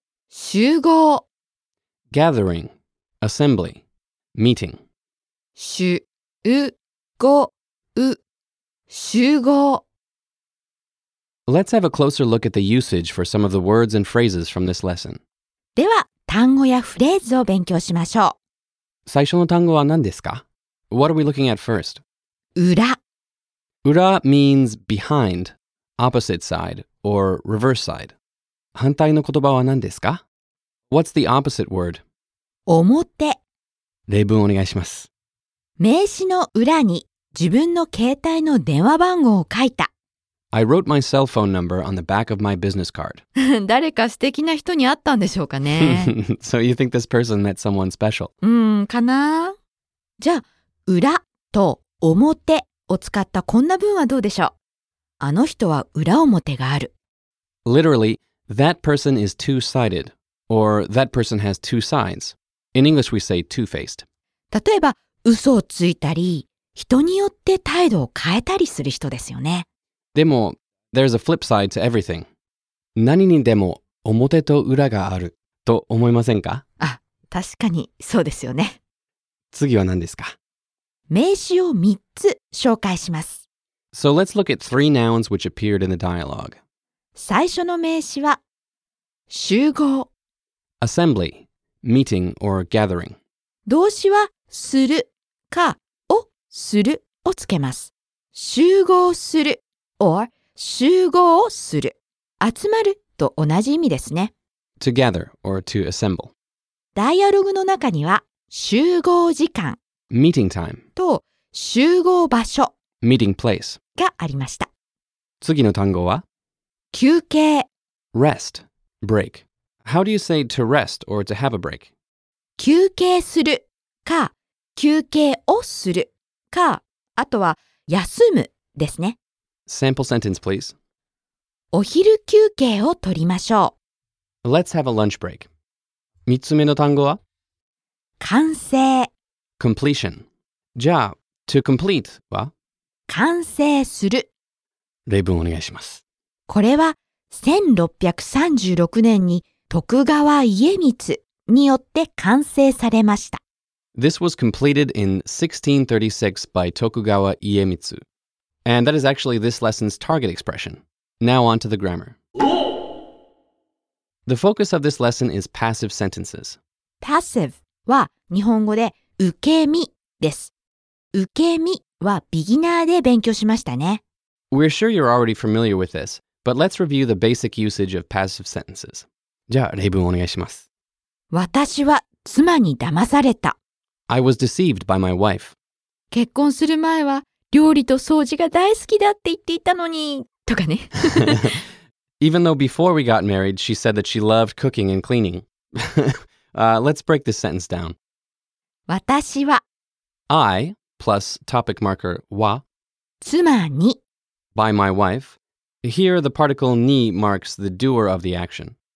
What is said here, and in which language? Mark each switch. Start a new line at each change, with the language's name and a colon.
Japanese: 集合
English: Gathering, assembly, meeting.
Japanese: 集合
English: Let's have a closer look at the usage for some of the words and phrases from this lesson.
Japanese: では、単語やフレーズを勉強しましょう。最初の単語は何ですか？
English: What are we looking at first?
Japanese: 裏。
English: 裏 means behind, opposite side, or reverse side.
Japanese: 反対の言葉は何ですか？
English: What's the opposite word?
Japanese: 表。例文お願いします。名刺の裏に自分の携帯の電話番号を書いた。
English: I wrote my cell phone number on the back of my business card.
Japanese: 誰か素敵な人に会ったんでしょうかね。
English: So you think this person met someone special?
Japanese: かな。じゃあ、裏と表を使ったこんな文はどうでしょう。あの人は裏表がある。
English: Literally, that person is two-sided, or that person has two sides. In English, we say two-faced.
Japanese: 例えば、嘘をついたり、人によって態度を変えたりする人ですよね。
English: でも、there's a flip side to everything.
Japanese: 何にでも表と裏があると思いませんか？あ、確かにそうですよね。次は何ですか？名詞を3つ紹介します。
English: So let's look at three nouns which appeared in the dialogue.
Japanese: 最初の名詞は、集合。
English: Assembly, meeting or gathering.
Japanese: 動詞は、するか、をするをつけます。集合する。Or, 集合をする。集まると同じ意味ですね。
English: Together or to assemble.
Japanese: ダイアログの中には、集合時間。
English: Meeting time.
Japanese: と、集合場所。
English: Meeting place.
Japanese: がありました。次の単語は？休憩。
English: Rest, break. How do you say to rest or to have a break?
Japanese: 休憩するか、休憩をするか、あとは休むですね。
English: Sample sentence, please.
Japanese: お昼休憩を取りましょう。
English: Let's have a lunch break.
Japanese: 3つ目の単語は？完成。
English: Completion. じゃあ、to complete は？
Japanese: 完成する。例文お願いします。これは1636年に徳川家光によって完成されました。
English: This was completed in 1636 by Tokugawa Iemitsu. And that is actually this lesson's target expression. Now on to the grammar. The focus of this lesson is passive sentences.
Japanese: Passive は日本語で受け身です。受け身はビギナーで勉強しましたね。
English: We're sure you're already familiar with this, but let's review the basic usage of passive sentences.
Japanese: じゃあ例文お願いします。私は妻に騙された。
English: I was deceived by my wife.
Japanese: 結婚する前は料理と掃除が大好きだって言っていたのに、とかね。
English: Even though before we got married, she said that she loved cooking and cleaning. let's break this sentence down.
Japanese: 私は
English: I plus topic marker は
Japanese: 妻に
English: by my wife. Here, the particle に marks the doer of the action.